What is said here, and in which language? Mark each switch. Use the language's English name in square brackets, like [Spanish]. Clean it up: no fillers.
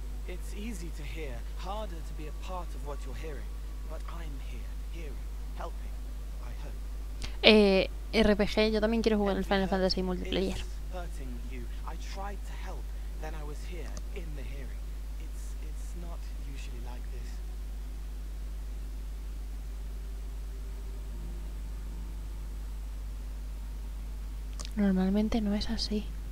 [English] It's easy to hear, harder to be a part of what you're hearing, but I'm here, hearing, helping, I hope. [Spanish] RPG, yo también quiero jugar el Final Fantasy multiplayer. [English] Hurting you. I tried to help, then I was here, in the hearing. It's not usually like this. [Spanish] Normalmente no es así.